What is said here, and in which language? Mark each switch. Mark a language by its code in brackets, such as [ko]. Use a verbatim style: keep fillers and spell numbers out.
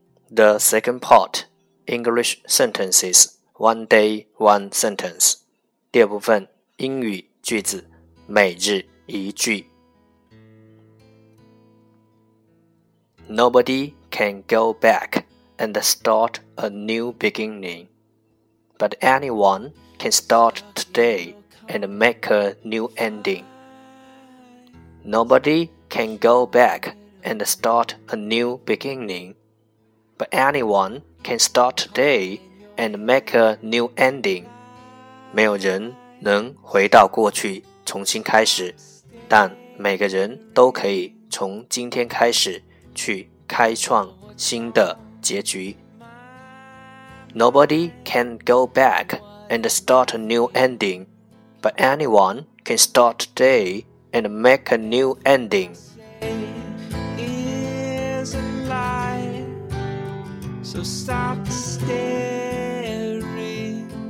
[en] The second part, English sentences, one day, one sentence. [zh] 第二部分英语句子，每日一句。 [en] Nobody can go back and start a new beginning, but anyone can start today and make a new ending. Nobody can go back and start a new beginning. But anyone can start today and make a new ending. [zh] 没有人能回到过去重新开始，但每个人都可以从今天开始去开创新的结局。 [en] Nobody can go back and start a new ending, But anyone can start today and make a new ending. Is a lie, so stop staring.